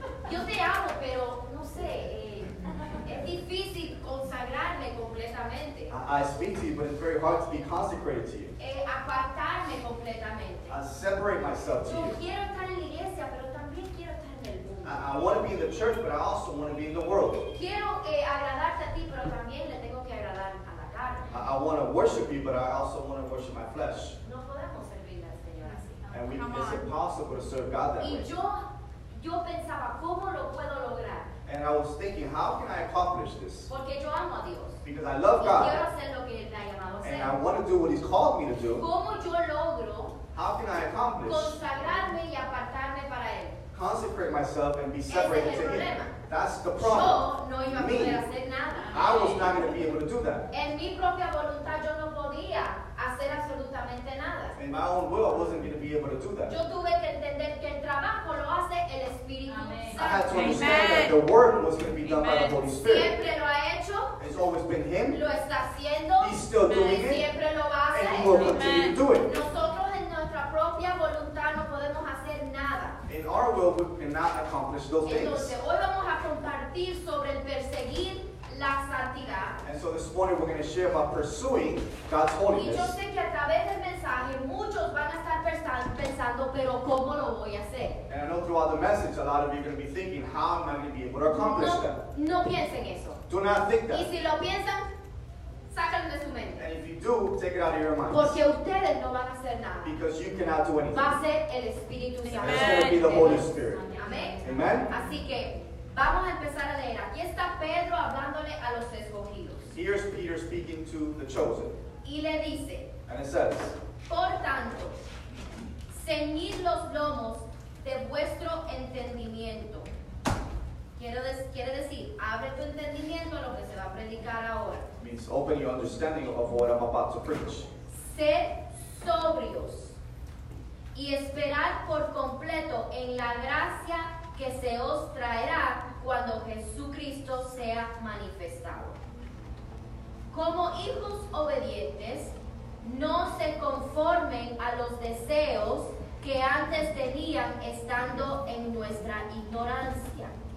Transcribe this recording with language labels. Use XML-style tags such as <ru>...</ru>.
<es>Yo te amo, pero no sé, es difícil consagrarme completamente.</es> <en>I speak to you, but it's very hard to be consecrated to you.</en> <es>Apartarme completamente.</es> <en>I separate myself to yo you.</en> <es>Quiero estar en la iglesia, pero también quiero estar en el mundo.</es> <en>I want to be in the church, but I also want to be in the world.</en> <es>Quiero agradarte a ti, pero también le tengo que agradar a la carne.</es> <en>I want to worship you, but I also want to worship my flesh.</en> <es>No podemos servirle al Señor así.</es> <en>And we, it's impossible to serve God that y way.</en> <es>Yo pensaba, ¿cómo lo puedo lograr?</es> <en>And I was thinking, how can I accomplish this?</en> <es>Porque yo amo a Dios.</es> <en>Because I love God.</en> <es>Y quiero hacer lo que él me ha llamado a hacer.</es> <en>And I want to do what he's called me to do.</en> <es>¿Cómo yo logro?</es> <en>How can I accomplish?</en> <es>Consagrarme y apartarme para él.</es> <en>Consecrate myself and be separated to him.</en> <es>Ese es el problema.</es> <en>That's the problem.</en> <es>Yo no iba a poder hacer nada.</es> <en>I was not going to be able to do that.</en> <es>En mi propia voluntad yo no podía hacer absolutamente nada.</es> <en>In my own will, I wasn't going to be able to do that.</en> <es>Yo tuve que entender que el trabajo lo hace el Espíritu Santo.</es> <en>I had to understand that the work was going to be done by the Holy Spirit.</en> <es>Siempre lo ha hecho.</es> <en>It's always been Him.</en> <es>Lo está haciendo.</es> <en>He's still doing it.</en> <es>Siempre lo va a hacer.</es> <en>And He will continue to do it.</en> <es>Nosotros en nuestra propia voluntad no podemos hacer nada.</es> <en>In our will, we cannot accomplish those</en> <es>Entonces,</es> <en>things.</en> <es>Hoy vamos a compartir sobre el perseguir la santidad.</es> <en>And so this morning we're going to share about pursuing God's holiness.</en> <es>Y yo sé que a través del mensaje muchos van a estar pensando, pero ¿cómo lo voy a hacer?</es> <en>And I know throughout the message, a lot of you are going to be thinking, how am I going to be able to accomplish that?</en> <es>No piensen eso.</es> <en>Do not think that.</en> <es>Y si lo piensan, sáquenlo de su mente.</es> <en>And if you do, take it out of your mind.</en> <es>Porque ustedes no van a hacer nada.</es> <en>Because you cannot do anything.</en> <es>Va a ser el Espíritu Santo.</es> <en>It's going to be the Holy Spirit.</en> <es>Amén.</es> <en>Amen.</en> <es>Así que vamos a empezar a leer. Aquí está Pedro hablándole a los escogidos.</es> <en>Here's Peter speaking to the chosen.</en> <es>Y le dice.</es> <en>And it says.</en> <es>Por tanto, ceñid los lomos de vuestro entendimiento. Quiere decir, abre tu entendimiento a lo que se va a predicar ahora.</es> <en>Means open your understanding of what I'm about to preach.</en> <es>Sed sobrios y esperad por completo en la gracia que se os traerá cuando Jesucristo sea manifestado. Como hijos obedientes, no se conformen a los deseos que antes tenían estando en nuestra ignorancia.</es>